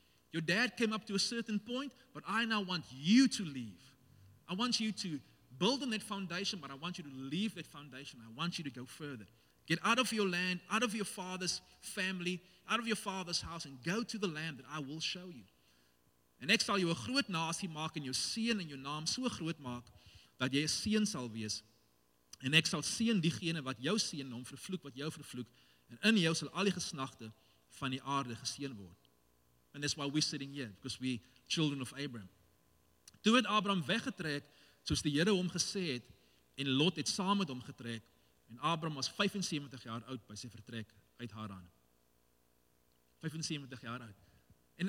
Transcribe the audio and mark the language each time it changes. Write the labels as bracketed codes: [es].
[en] Your dad came up to a certain point, but I now want you to leave. I want you to build on that foundation, but I want you to leave that foundation. I want you to go further. Get out of your land, out of your father's family, out of your father's house, and go to the land that I will show you. [af] En ek sal jou 'n groot nasie maak en jou seën en jou naam so groot maak, dat jy 'n seën sal wees. En ek sal seën diegene wat jou seën, en hom vervloek wat jou vervloek, en in jou sal al die geslagte van die aarde geseën word." [en] And that's why we're sitting here, because we're children of Abraham. [af] "Toe het Abraham weggetrek, soos die Here hom gesê het, en Lot het saam met hom getrek, en Abraham was 75 jaar oud by sy vertrek uit Haran." 75 jaar oud.